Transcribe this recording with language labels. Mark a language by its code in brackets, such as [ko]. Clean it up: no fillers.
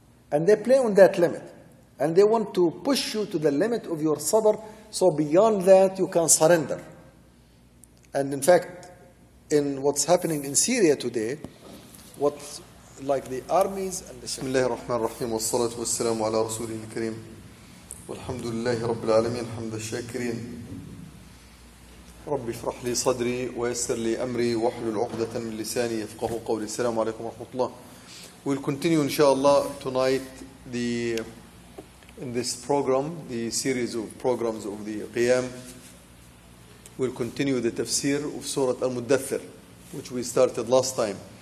[en] And they play on that limit. And they want to push you to the limit of your sabr, so beyond that you can surrender. And in fact, in what's happening in Syria today, the armies and the... [ar] Bismillah ar-Rahman ar-Rahim wa salatu wa salamu ala rasulihi al-kareem. والحمد لله رب العالمين حمد الشاكرين ربي اشرح لي صدري ويسر لي أمري واحلل عقدة من لساني يفقه قولي السلام عليكم ورحمة الله. [en] We'll continue inshallah tonight in this program, the series of programs of the Qiyam. We'll continue the tafsir of Surah Al-Muddathir, which we started last time.